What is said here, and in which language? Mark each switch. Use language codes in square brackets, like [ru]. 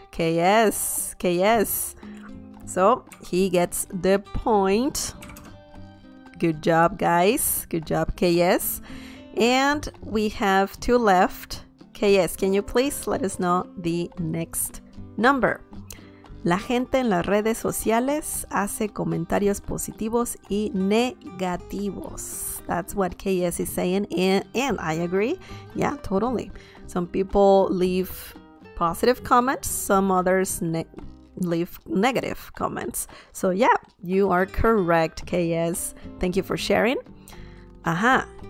[en] KS. So he gets the point. Good job, guys. Good job, KS. And we have two left. KS, can you please let us know the next number? [es] La gente en las redes sociales hace comentarios positivos y negativos. [en] That's what KS is saying, and I agree. Yeah, totally. Some people leave positive comments, some others leave negative comments. So yeah, you are correct, KS. Thank you for sharing. Aha.